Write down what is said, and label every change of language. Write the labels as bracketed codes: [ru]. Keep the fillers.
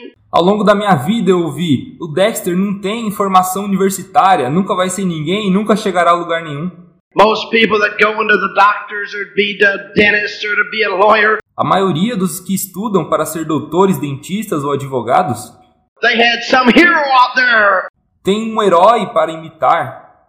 [pt] Ao longo da minha vida eu ouvi, o Dexter não tem formação universitária, nunca vai ser ninguém e nunca chegará a lugar nenhum. [en] Most people that go into the doctors or be the dentist or to be a lawyer. [pt] A maioria dos que estudam para ser doutores, dentistas ou advogados. [en] They had some hero out there. [pt] Tem um herói para imitar.